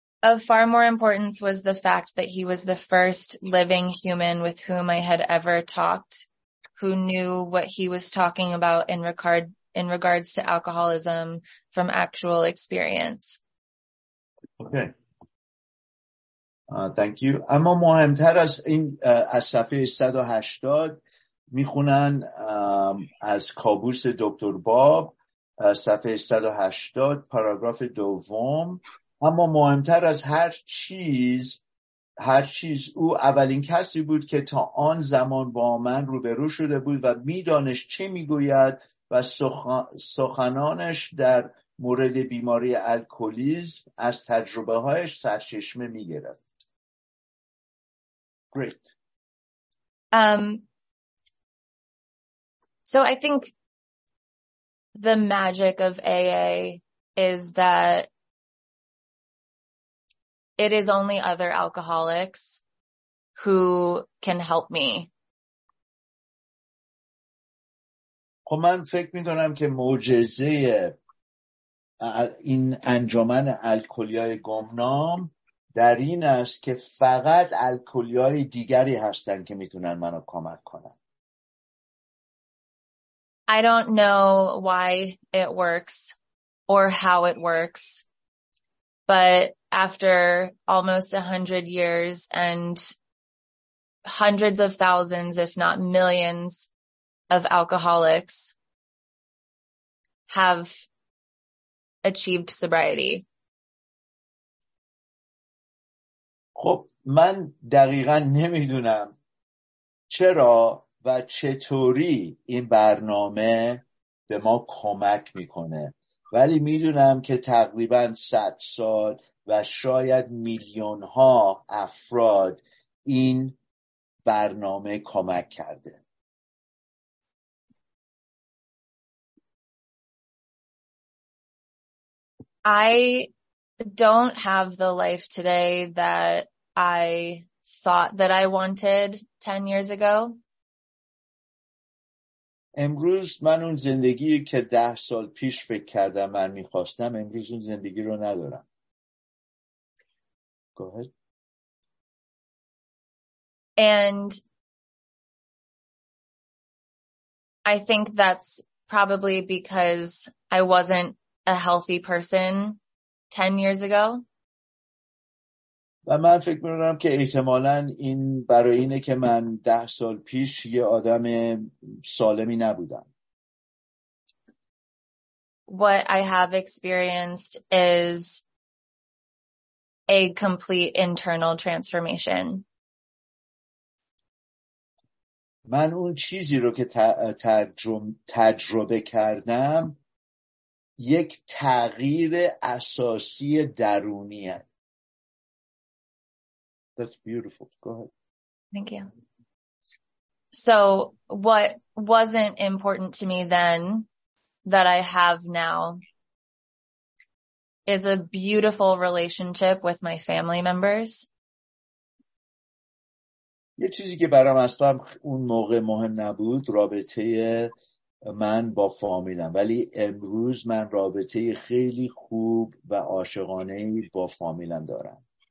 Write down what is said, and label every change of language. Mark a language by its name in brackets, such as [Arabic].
[English] Of far more importance was the fact that he was the first living human with whom I had ever talked, who knew what he was talking about in regards to alcoholism from actual experience. Okay. Thank you. [Persian] اما مهمتر از این از صفحه 180 میخونن از کابوس دکتر باب صفحه 180 پاراگراف دوم. اما مهمتر از هر چیز او اولین کسی بود که تا آن زمان با من روبرو شده بود و میدانست چه میگوید و سخنانش در مورد بیماری الکلیسم از تجربه هایش سرچشمه میگرفت. [English] Great. So I think the magic of AA is that it is only other alcoholics who can help me. [Persian] خب من فکر می‌کنم که معجزه این انجمن الکلیای گمنام در این است که فقط الکلیای دیگری هستند که میتونن منو کمک کنن. [English] I don't know why it works or how it works, but after almost 100 years and hundreds of thousands, if not millions, of alcoholics have achieved sobriety. [Persian] خب من دقیقا نمیدونم چرا و چطوری این برنامه به ما کمک میکنه، ولی میدونم که تقریبا 100 سال و شاید میلیون ها افراد این برنامه کمک کرده. [English] I don't have the life today that I thought that I wanted 10 years ago. [Persian] امروز من اون زندگی که 10 سال پیش فکر کردم من می‌خواستم، امروز اون زندگی رو ندارم. [English] Go ahead. And I think that's probably because I wasn't a healthy person 10 years ago. [Persian] و من فکر می‌کنم که احتمالاً این برای اینه که من 10 سال پیش یه آدم سالمی نبودم. [English] What I have experienced is a complete internal transformation. [Persian] من اون چیزی رو که تجربه کردم یک تغییر اساسی درونیه. [English] That's beautiful. Go ahead. Thank you. So what wasn't important to me then that I have now is a beautiful relationship with my family members. [Persian] یه چیزی که برام اصلا اون موقع مهم نبود رابطه من با فامیلم، ولی امروز من رابطه خیلی خوب و عاشقانه ای با فامیلم دارم.